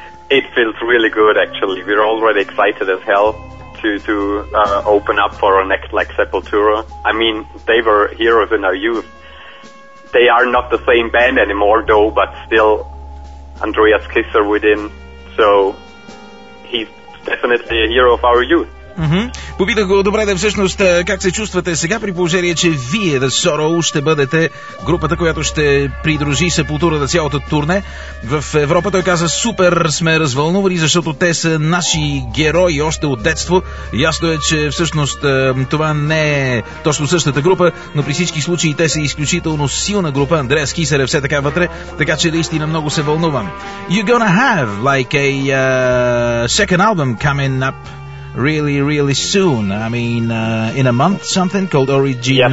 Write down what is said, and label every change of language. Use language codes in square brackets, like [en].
[en] It feels really good, actually. We're already excited as hell to open up for our next leg, Sepultura. I mean, they were heroes in our youth. They are not the same band anymore, though, but still, Andreas Kisser within, so he's definitely a hero of our youth. Mm-hmm. [bg] Попитах го добре, да, всъщност, как се чувствате сега при положение, че вие, The Sorrow, ще бъдете групата, която ще придружи Sepultura на цялото турне в Европа. Той каза, супер сме развълнувани, защото те са наши герои още от детство. Ясно е, че всъщност това не е точно същата група, но при всички случаи те са изключително силна група. Андреас Кисер е все така вътре, така че наистина много се вълнувам. [en] You're gonna have like a second album coming up really, really soon. I mean, in a month, something called Origin